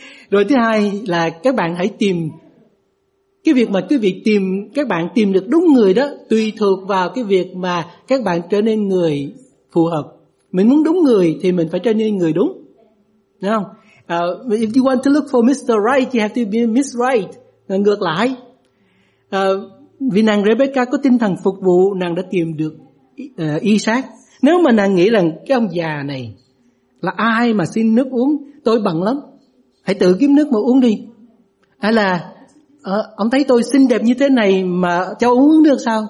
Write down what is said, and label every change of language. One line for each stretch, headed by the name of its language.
Vietnamese: Rồi thứ hai là các bạn hãy tìm cái việc mà cái việc tìm các bạn tìm được đúng người đó tùy thuộc vào cái việc mà các bạn trở nên người phù hợp. Mình muốn đúng người thì mình phải trở nên người đúng, đúng không?
English: If you want to look for Mr. Right, you have to be Miss Right.
Vietnamese: Ngược lại, vì nàng Rebecca có tinh thần phục vụ, nàng đã tìm được Isaac. Nếu mà nàng nghĩ rằng cái ông già này là ai mà xin nước uống, tôi bận lắm, hãy tự kiếm nước mà uống đi. Hay là ông thấy tôi xinh đẹp như thế này mà cho uống được sao?